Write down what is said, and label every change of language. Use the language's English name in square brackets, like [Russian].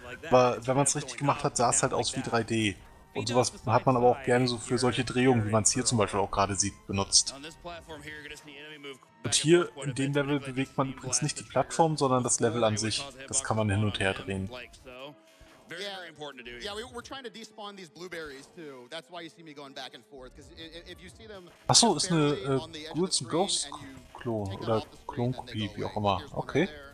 [German] Aber wenn man es richtig gemacht hat, sah es halt aus wie 3D. Und sowas hat man aber auch gerne so für solche Drehungen, wie man es hier zum Beispiel auch gerade sieht, benutzt. Und hier in dem Level bewegt man übrigens nicht die Plattform, sondern das Level an sich. Das kann man hin und her drehen. [English] Very important to do. Yeah, we're trying to despawn these blueberries too. That's why you see me going back and forth. Because if you see them, [German] ach so, ist eine Ghouls and Ghosts Klon oder Klonkopie, wie auch immer. Okay.